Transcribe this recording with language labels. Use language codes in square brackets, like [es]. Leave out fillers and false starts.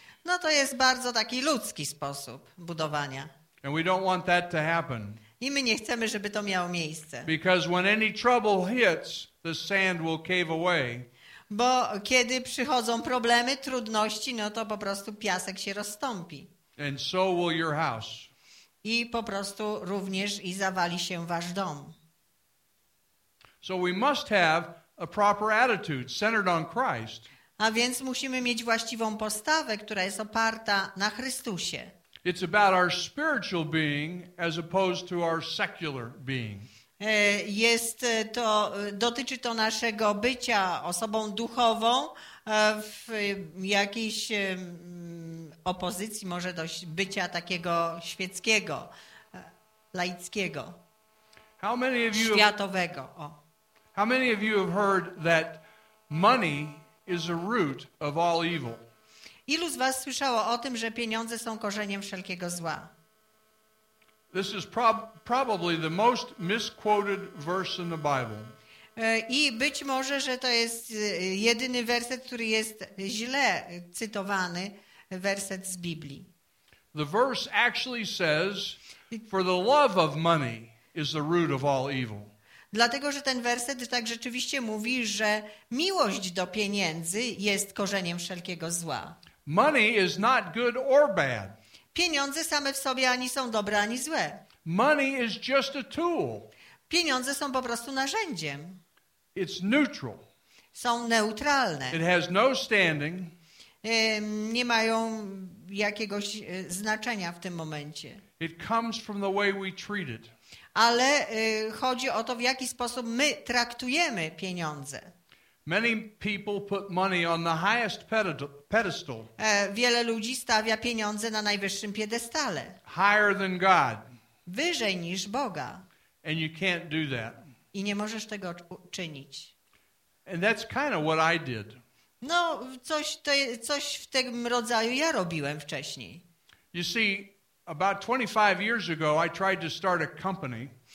[pl] No to jest bardzo taki ludzki sposób budowania. [en] And we don't want that to happen. [pl] I my nie chcemy, żeby to miało miejsce. [en] Because when any trouble hits, the sand will cave away. [pl] Bo kiedy przychodzą problemy, trudności, no to po prostu piasek się rozstąpi. [en] And so will your house. [pl] I po prostu również i zawali się wasz dom. [en] So we must have a proper attitude centered on Christ. [pl] A więc musimy mieć właściwą postawę, która jest oparta na Chrystusie. [en] It's about our spiritual being as opposed to our secular being. [pl] Jest to, dotyczy to naszego bycia osobą duchową w jakiejś opozycji może do bycia takiego świeckiego, laickiego, światowego. [en] How many of you have heard that money is a root of all evil? [pl] Ilu z was słyszało o tym, że pieniądze są korzeniem wszelkiego zła? [en] This is probably the most misquoted verse in the Bible. [pl] I być może, że to jest jedyny werset, który jest źle cytowany, werset z Biblii. [en] The verse actually says, for the love of money is the root of all evil. [pl] Dlatego, że ten werset tak rzeczywiście mówi, że miłość do pieniędzy jest korzeniem wszelkiego zła. [en] Money is not good or bad. [pl] Pieniądze same w sobie ani są dobre, ani złe. [en] Money is just a tool. [pl] Pieniądze są po prostu narzędziem. [en] It's neutral. [pl] Są neutralne. [en] It has no standing. [pl] Nie mają jakiegoś znaczenia w tym momencie. [en] It comes from the way we treat it. [pl] Ale chodzi o to, w jaki sposób my traktujemy pieniądze. [en] Many people put money on the highest pedestal. [pl] Wiele ludzi stawia pieniądze na najwyższym piedestale. [en] Higher than God. [pl] Wyżej niż Boga. [en] And you can't do that. [pl] I nie możesz tego czynić. [en] And that's kind of what I did. [pl] No, coś w tym rodzaju ja robiłem wcześniej. [en] You see, about 25 years ago, I tried to start a company.